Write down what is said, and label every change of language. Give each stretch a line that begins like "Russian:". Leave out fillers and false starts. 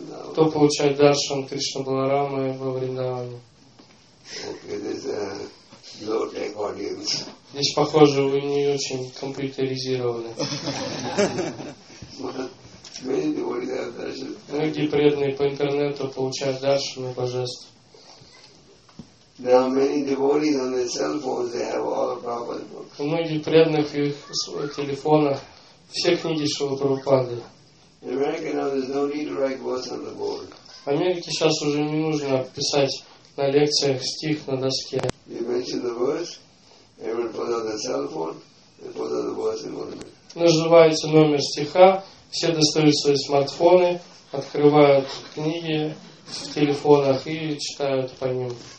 Russian: Кто получает даршан Кришна Баларамы во Вриндаване? Здесь, похоже, вы не очень компьютеризированы. Многие преданные по интернету получают даршан и божеств.
English: There are many devotees on their cell phones. They have all the Prabhupada books.
Russian: Многие преданных в их телефонах все книги Шрилы Прабхупады.
English: In America now there's no need to write words on the board.
Russian: В Америке сейчас уже не нужно писать на лекциях стих на доске.
English: You mention the words, everyone puts on their cell phone and puts on the words in one minute.
Russian: Называется номер стиха, все достают свои смартфоны, открывают книги в телефонах и читают по ним.